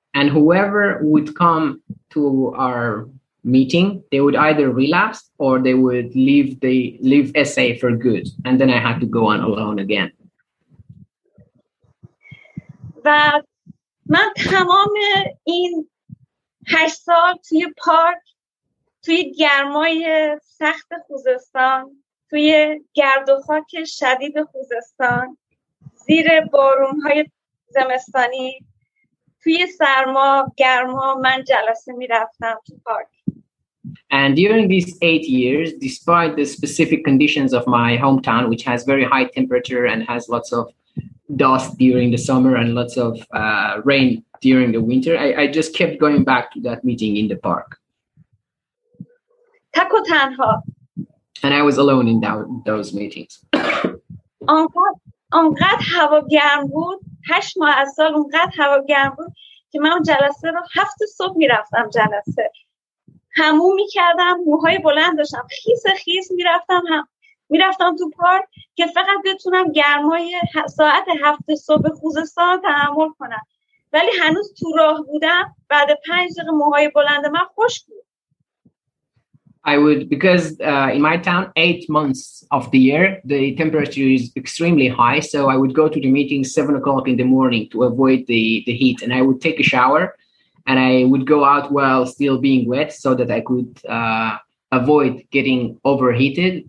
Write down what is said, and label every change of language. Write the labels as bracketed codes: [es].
[en] And whoever would come to our meeting, they would either relapse or they would leave SA for good, and then I had to go on alone again. But [fa] من تمام این 8 سال توی پارک توی گرمای سخت خوزستان توی گرد و خاک شدید خوزستان زیر بارون‌های زمستانی توی سرما گرما من جلسه می‌رفتم تو پارک. [en] And during these 8 years, despite the specific conditions of my hometown, which has very high temperature and has lots of dust during the summer and lots of rain during the winter, I just kept going back to that meeting in the park. And I was alone in those meetings. [fa] انقدر هوا گرم بود 8 ماه از سال اونقدر هوا گرم بود که من جلسه رو 7 صبح میرفتم جلسه. همو میکردم، موهای بلند داشتم، خیس میرفتم هم میرفتم تو پارک که فقط بتونم گرمای ساعت 7 صبح خوزستان تحمل کنم. ولی هنوز تو راه بودم، بعد 5 دقیقه موهای بلند من خشک بود. [en] I would, because in my town, 8 months of the year, the temperature is extremely high. So I would go to the meeting 7 o'clock in the morning to avoid the heat. And I would take a shower and I would go out while still being wet so that I could avoid getting overheated.